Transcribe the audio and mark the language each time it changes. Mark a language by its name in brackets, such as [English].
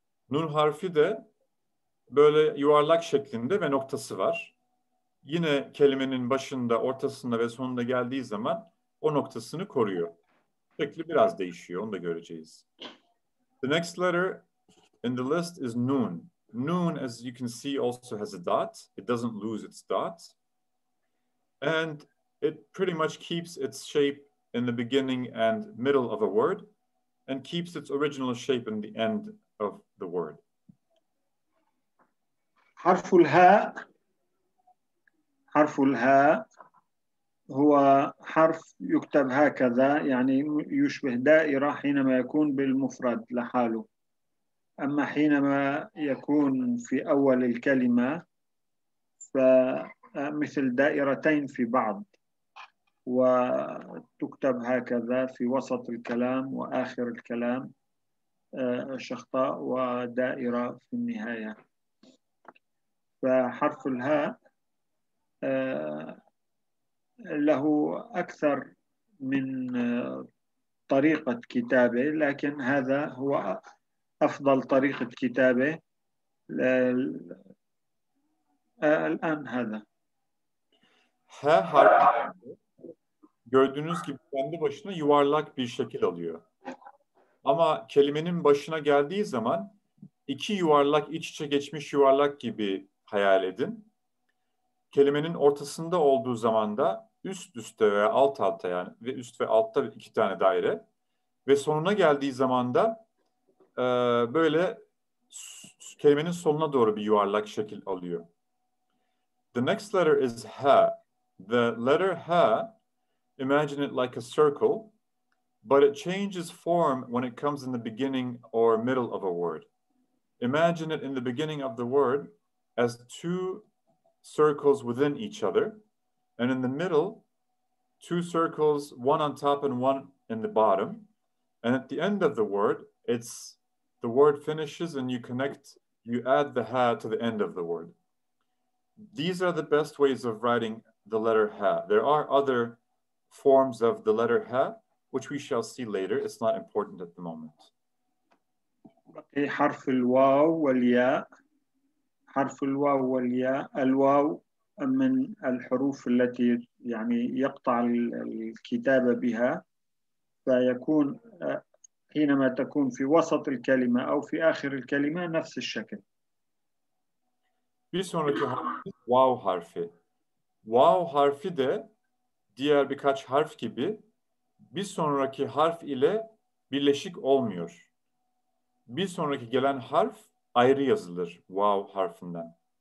[Turkish] Nun harfi de böyle yuvarlak şeklinde ve noktası var. Yine kelimenin başında, ortasında ve sonunda geldiği zaman o noktasını koruyor. Şekli biraz değişiyor, onu da göreceğiz. [English] The next letter in the list is Nun. Nun, as you can see, also has a dot. It doesn't lose its dot. And it pretty much keeps its shape in the beginning and middle of a word and keeps its original shape in the end of the word. [Arabic] حرف الهاء حرف الهاء هو حرف يكتب هكذا يعني يشبه دائرة حينما يكون بالمفرد لحاله. أما حينما يكون في أول الكلمة فمثل دائرتين في بعض وتكتب هكذا في وسط الكلام وآخر الكلام شخطاء ودائرة في النهاية. فحرف الهاء له أكثر من طريقة كتابة لكن هذا هو أفضل طريقة كتابة الآن. هذا ها حرف [Turkish] gördüğünüz gibi kendi başına yuvarlak bir şekil alıyor. Ama kelimenin başına geldiği zaman iki yuvarlak iç içe geçmiş yuvarlak gibi hayal edin. kelimenin ortasında olduğu zaman da üst üste veya alt alta, yani ve üst ve altta iki tane daire ve sonuna geldiği zaman da böyle kelimenin sonuna doğru bir yuvarlak şekil alıyor. [English] The next letter is ha. The letter ha, imagine it like a circle, but it changes form when it comes in the beginning or middle of a word. Imagine it in the beginning of the word as two circles within each other, and in the middle, two circles, one on top and one in the bottom. And at the end of the word, it's the word finishes and you connect, you add the ha to the end of the word. These are the best ways of writing the letter ha. There are other forms of the letter ha, which we shall see later. It's not important at the moment. [Arabic] حرف الواو والياء حرف الواو والياء الواو من الحروف التي يعني يقطع الكتابة بها فيكون حينما تكون في وسط الكلمة أو في آخر الكلمة نفس الشكل. [Turkish] Bir sonraki harfi واو harfi. واو harfi de diğer birkaç harf gibi bir sonraki harf ile birleşik olmuyor. Bir sonraki gelen harf ayrı yazılır vav harfinden.